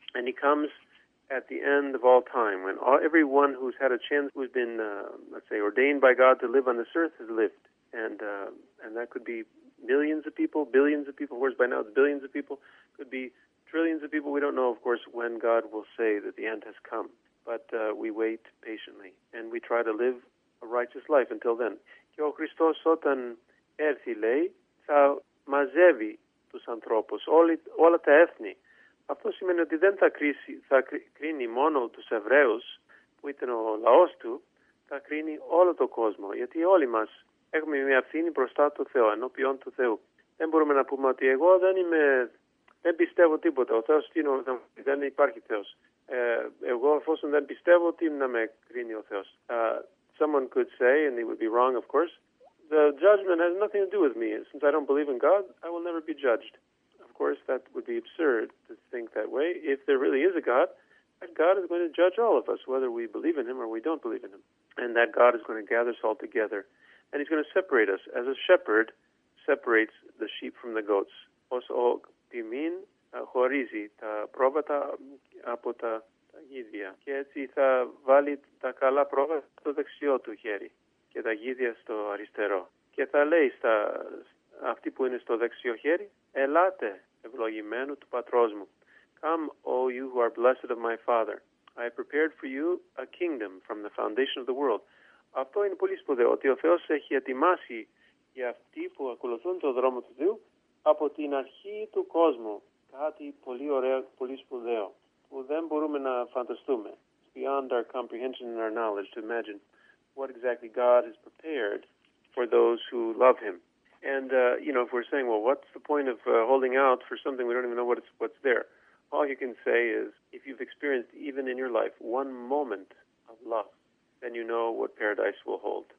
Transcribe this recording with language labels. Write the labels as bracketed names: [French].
[English] And he comes at the end of all time, when everyone who's had a chance, who's been, let's say, ordained by God to live on this earth, has lived. And that could be millions of people, billions of people. Whereas by now it's billions of people. Could be trillions of people. We don't know, of course, when God will say that the end has come. But we wait patiently. And we try to live a righteous life until then. [Greek] Και ο Χριστός όταν έρθει, λέει, θα μαζεύει τους ανθρώπους, όλα τα έθνη. Αυτό σημαίνει ότι δεν θα κρίνει μόνο τους Εβραίους, που ήταν ο λαός του, θα κρίνει όλο τον κόσμο, γιατί όλοι μας έχουμε μια ευθύνη μπροστά του Θεού, ενώπιον του Θεού. Δεν μπορούμε να πούμε ότι εγώ δεν πιστεύω τίποτα, ο Θεός δεν υπάρχει Θεός. Εγώ εφόσον δεν πιστεύω, τι να με κρίνει ο Θεός. [English] Someone could say, and they would be wrong, of course, the judgment has nothing to do with me. Since I don't believe in God, I will never be judged. Of course, that would be absurd to think that way. If there really is a God, that God is going to judge all of us, whether we believe in him or we don't believe in him. And that God is going to gather us all together. And he's going to separate us, as a shepherd separates the sheep from the goats. [Greek] Ως ο ποιμήν χωρίζει τα πρόβατα από τα γίδια. Και έτσι θα βάλει τα καλά πρόβατα στο δεξιό του χέρι και τα γίδια στο αριστερό. Και θα λέει στα αυτοί που είναι στο δεξιό χέρι, «Ελάτε, ευλογημένου του πατρός μου. [English] Come, O you who are blessed of my Father. I have prepared for you a kingdom from the foundation of the world». [Greek] Αυτό είναι πολύ σπουδαίο, ότι ο Θεός έχει ετοιμάσει για αυτοί που ακολουθούν τον δρόμο του Θεού από την αρχή του κόσμου. Κάτι πολύ ωραίο, πολύ σπουδαίο, που δεν μπορούμε να φανταστούμε. [English] It's beyond our comprehension and our knowledge to imagine what exactly God has prepared for those who love him. And, you know, if we're saying, well, what's the point of holding out for something we don't even know what's there? All you can say is, if you've experienced even in your life one moment of love, then you know what paradise will hold.